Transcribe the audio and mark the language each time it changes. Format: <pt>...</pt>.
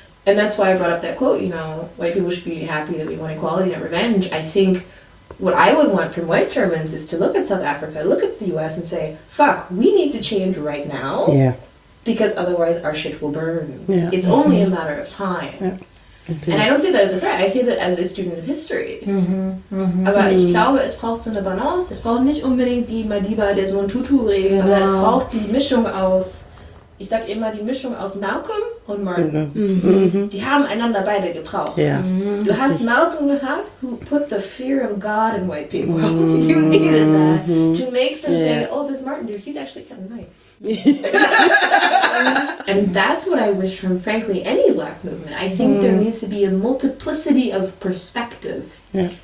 <en>And that's why I brought up that quote, you know, white people should be happy that we want equality, not revenge. I think what I would want from white Germans is to look at South Africa, look at the US and say, fuck, we need to change right now. Yeah. Because otherwise our shit will burn. Yeah. It's only a matter of time. Yeah. And I don't say that as a threat. I say that as a student of history.</en> <de>But ich glaube, es braucht so eine Balance. Es braucht nicht unbedingt die Madiba Desmond Tutu-Regel, aber es braucht die Mischung aus, ich sag immer, die Mischung aus Malcolm und Martin. Die haben einander beide gebraucht.</de> <en>Yeah.</en> <de>Du hast Malcolm gehabt,</de> <en>who put the fear of God in white people. You needed that to make them say, oh, this Martin dude, he's actually kind of nice. And that's what I wish from, frankly, any black movement. I think there needs to be a multiplicity of perspective. Yeah.</en>